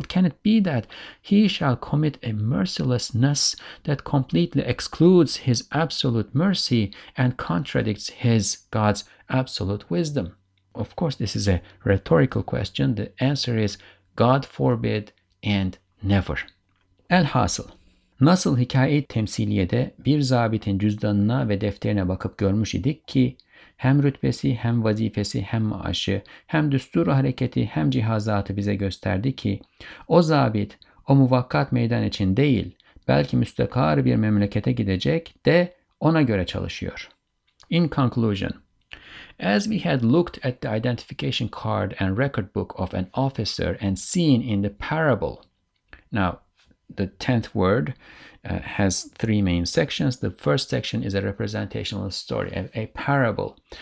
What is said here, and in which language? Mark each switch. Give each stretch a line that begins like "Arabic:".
English: Can it be that he shall commit a mercilessness that completely excludes his absolute mercy and contradicts his God's absolute wisdom? Of course, this is a rhetorical question. The answer is God forbid and never.
Turkish: Elhasıl, nasıl hikaye temsiliyede bir zabitin cüzdanına ve defterine bakıp görmüş idik ki, hem rütbesi, hem vazifesi, hem maaşı, hem düsturu hareketi, hem cihazatı bize gösterdi ki, o zabit, o muvakkat meydan için değil, belki müstakar bir memlekete gidecek de ona göre çalışıyor.
English: In conclusion, as we had looked at the identification card and record book of an officer and seen in the parable, now, the 10th word has three main sections. The first section is a representational story, a parable.